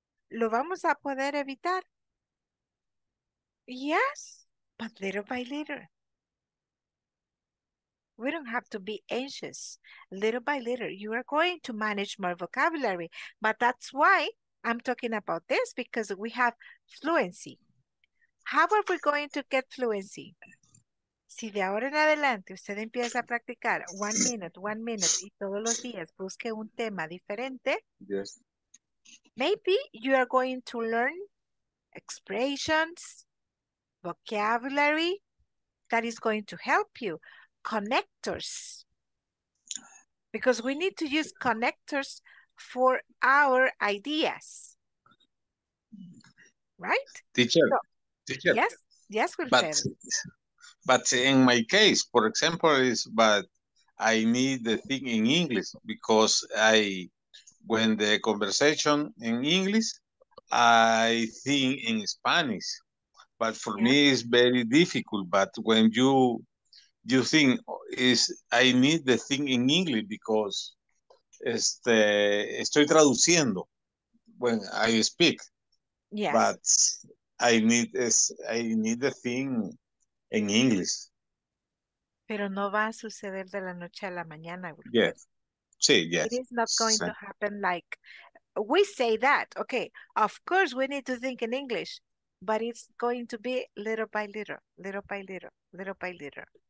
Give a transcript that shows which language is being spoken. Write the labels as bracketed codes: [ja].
[es] ¿Lo vamos a poder evitar? [en] Yes, but little by little. We don't have to be anxious. Little by little, you are going to manage more vocabulary. But that's why I'm talking about this, because we have fluency. How are we going to get fluency? [es] Si de ahora en adelante usted empieza a practicar [en] 1 minute, 1 minute, [es] y todos los días busque un tema diferente, [en] yes. Maybe you are going to learn expressions, vocabulary that is going to help you. Connectors. Because we need to use connectors for our ideas. Right? Teacher. Teacher. Yes. Yes, we'll but say. But in my case, for example, is but I need the thing in English because I when the conversation in English, I think in Spanish. But for me, it's very difficult. But when you think is I need the thing in English because [es] estoy traduciendo [en] when I speak. Yes. But I need the thing in English. [es] Pero no va a suceder de la noche a la mañana. [en] Yes. Yeah. Sí, yes. It is not going to happen like we say that. Okay, of course we need to think in English, but it's going to be little by little, little by little, little by little.